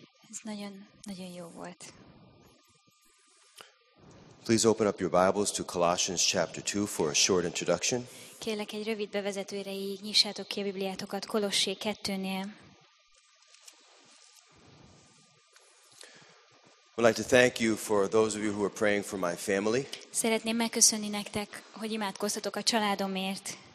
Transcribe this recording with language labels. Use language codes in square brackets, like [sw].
[hu] Ez nagyon, nagyon jó volt. [en] Please open up your Bibles to Colossians chapter 2 for a short introduction. [hu] Kérlek egy rövid bevezetőre, így nyissátok ki a Bibliátokat Kolossé 2-nél. [en] I'd like to thank you for those of you who are praying for my family. [hu] Szeretném megköszönni nektek, hogy imádkoztatok a családomért.